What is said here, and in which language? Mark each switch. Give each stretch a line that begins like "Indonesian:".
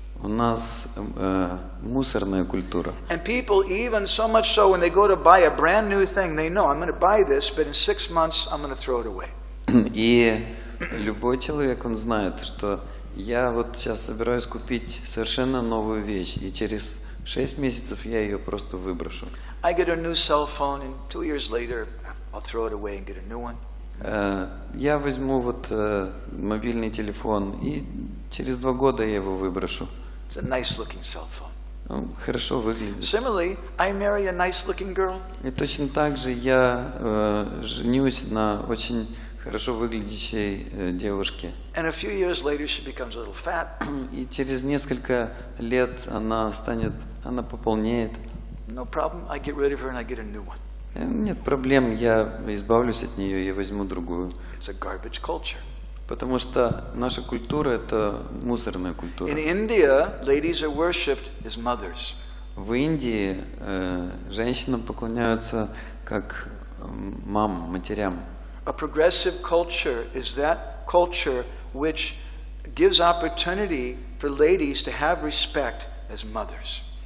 Russian: У нас мусорная культура.
English: And people even so much so when they go to buy a brand new thing, they know I'm going to buy this, but in six months I'm going to throw it away.
Russian: И любой человек он знает, что я вот сейчас собираюсь купить совершенно новую вещь, и через 6 месяцев я ее просто выброшу.
English: I get a new cell phone, and 2 years later I'll throw it away and get a new one.
Russian: Я возьму вот мобильный телефон, и через 2 года я его выброшу.
English: It's a nice looking cell phone.
Russian: Хорошо выглядит.
English: Similarly, I marry a nice looking girl.
Russian: И точно так же я женюсь на очень хорошо выглядящей девушке.
English: And a few years later she becomes a little fat.
Russian: И через несколько лет она пополнеет.
English: No problem, I get rid of her and I get a new one.
Russian: Нет проблем, я избавлюсь от нее, я возьму другую.
English: It's a garbage culture.
Russian: Потому что наша культура это мусорная культура.
English: In India, ladies are worshipped as mothers.
Russian: В Индии женщинам поклоняются как мам, матерям.
English: A progressive culture is that culture which gives opportunity for ladies to have respect as mothers.